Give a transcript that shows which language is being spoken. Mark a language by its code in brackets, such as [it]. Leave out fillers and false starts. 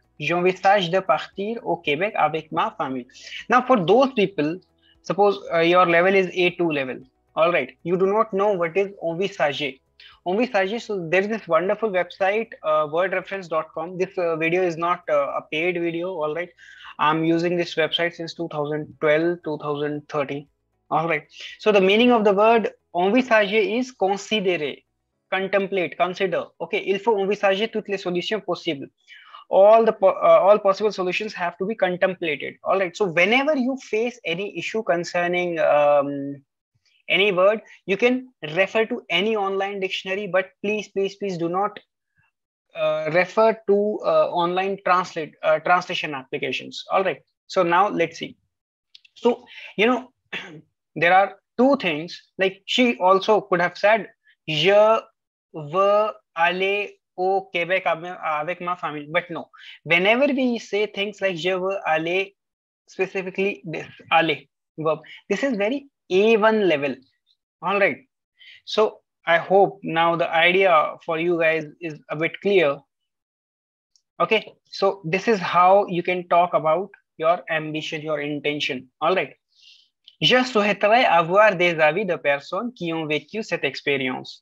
[fr] J'envisage de partir au Québec avec ma famille. [en] Now, for those people, suppose your level is A2 level. All right, you do not know what is envisager. Envisager, so there is this wonderful website, wordreference.com. This video is not a paid video, all right. I'm using this website since 2012, 2013. All right, so the meaning of the word envisager is considérer, contemplate, consider. [fr] Okay, il faut envisager toutes les solutions possibles. [en] All possible solutions have to be contemplated. All right, so whenever you face any issue concerning any word, you can refer to any online dictionary, but please do not refer to online translation applications. All right, so now let's see. So, you know, there are two things, like she also could have said, [fr] je veux aller au Québec avec ma famille, [en] but no. Whenever we say things like [fr] je veux aller, [en] specifically this, aller verb, this is very A1 level. All right, so I hope now the idea for you guys is a bit clear. Okay, so this is how you can talk about your ambition, your intention. [fr] All right, je souhaiterais avoir des avis de personnes qui ont vécu cette expérience.